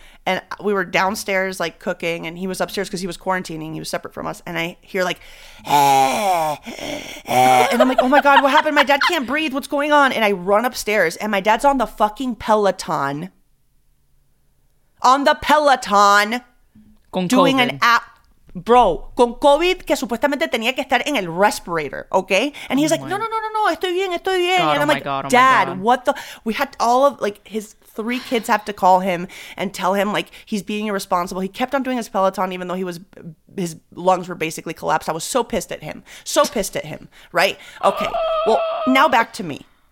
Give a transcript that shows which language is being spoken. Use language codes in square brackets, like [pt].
[en] And we were downstairs, like, cooking, and he was upstairs because he was quarantining. He was separate from us. And I hear, like, and I'm like, oh, my God, what happened? My dad can't breathe. What's going on? And I run upstairs, and my dad's on the fucking Peloton. On the Peloton. [es] Con COVID. [en] Doing an app. [es] Bro, con COVID, que supuestamente tenía que estar en el respirator, okay? [en] And he's like, [es] no. no, estoy bien, estoy bien. [en] God, and I'm oh like, God, oh Dad, what the? We had all of, like, his three kids have to call him and tell him, like, he's being irresponsible. He kept on doing his Peloton even though his lungs were basically collapsed. I was so pissed at him. So pissed at him, right? Okay, well, now back to me.